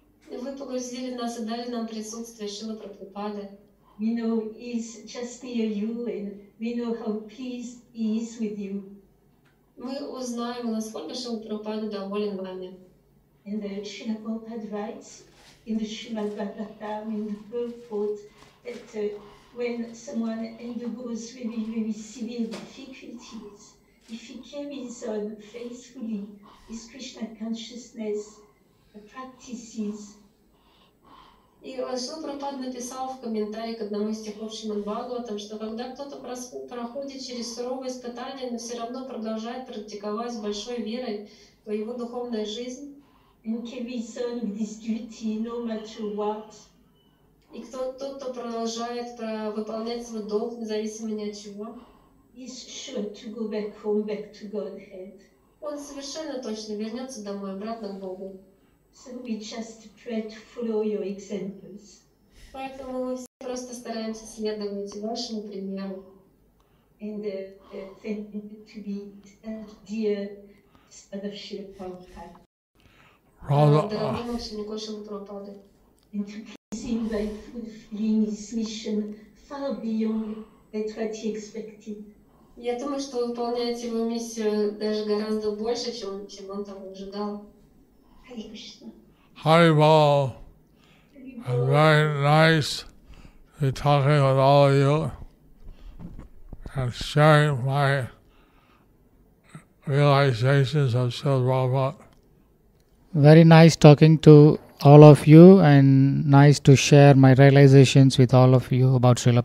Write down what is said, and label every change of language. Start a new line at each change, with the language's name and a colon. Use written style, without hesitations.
Russian: И вы погрузили нас и дали нам присутствие Шрила Прабхупады.
English: We know he's just near you and we know how pleased he is with you.
Russian: Мы узнаем, насколько Шрила Прабхупада доволен вами.
English: And Шрила Прабхупада writes in the Srimad Bhagavatam in the third part, that when someone undergoes really, really severe difficulties, if he carries on faithfully his Krishna consciousness practices.
Russian: И Шрила Прабхупада написал в комментарии к одному из стихов Шримад Бхагаватам, что когда кто-то проходит через суровые испытания, но все равно продолжает практиковать с большой верой, то его духовная жизнь
English: and carries on with this duty no matter what.
Russian: И тот, кто продолжает выполнять свой долг, независимо ни от чего,
English: He's sure to go back home, back to Godhead.
Russian: Он совершенно точно вернется домой, обратно к Богу.
English: So we just pray to follow your examples.
Russian: Поэтому мы все просто стараемся следовать вашему примеру.
English: And to be dear son of Srila Prabhupada.
Russian: Дорогим ученику Шрилы Прабхупады.
English: Seen by fulfilling his mission far beyond that what he expected.
Russian: Я думаю, что выполняете его миссию даже гораздо больше, чем он там ожидал.
English: Hi, Paul. Very nice to be talking with all of you and sharing my realizations of Srila Prabhupada. Very nice talking to all of you, and nice to share my realizations with all of you about Srila